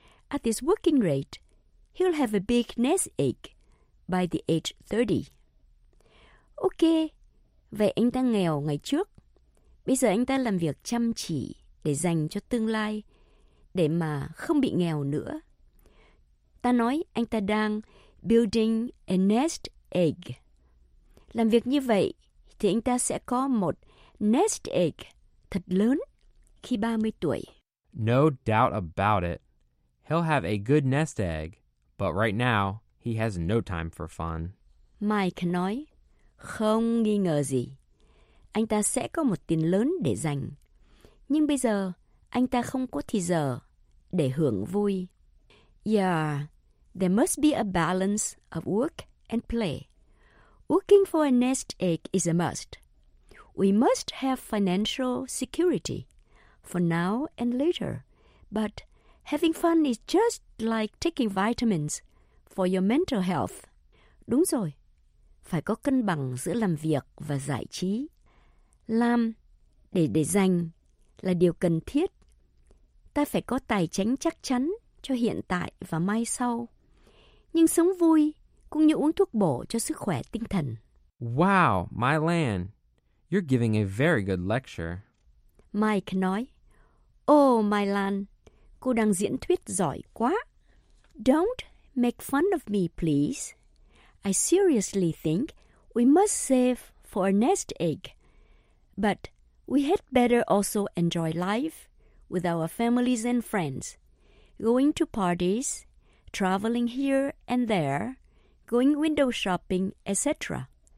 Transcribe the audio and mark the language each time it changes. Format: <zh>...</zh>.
<en>At this working rate, he'll have a big nest egg by the age 30.</en> <vi>Okay, vậy anh ta nghèo ngày trước. Bây giờ anh ta làm việc chăm chỉ để dành cho tương lai, để mà không bị nghèo nữa. Ta nói anh ta đang</vi> <en>building a nest egg.</en> <vi>Làm việc như vậy thì anh ta sẽ có một nest egg thật lớn khi 30 tuổi.</vi> <en>No doubt about it. He'll have a good nest egg, but right now he has no time for fun.</en> <vi>Mike nói, không nghi ngờ gì. Anh ta sẽ có một tiền lớn để dành. Nhưng bây giờ, anh ta không có thì giờ để hưởng vui.</vi> <en>Yeah, there must be a balance of work and play. Working for a nest egg is a must. We must have financial security for now and later. But having fun is just like taking vitamins for your mental health.</en> <vi>Đúng rồi, phải có cân bằng giữa làm việc và giải trí. Làm để dành là điều cần thiết. Ta phải có tài chính chắc chắn cho hiện tại và mai sau. Nhưng sống vui cũng như uống thuốc bổ cho sức khỏe tinh thần.</vi> <en>Wow, my land. You're giving a very good lecture.</en> <vi>Mike nói, oh, my land. Cô đang diễn thuyết giỏi quá.</vi> <en>Don't make fun of me, please. I seriously think we must save for a nest egg. But we had better also enjoy life with our families and friends, going to parties, traveling here and there, going window shopping, etc.</en>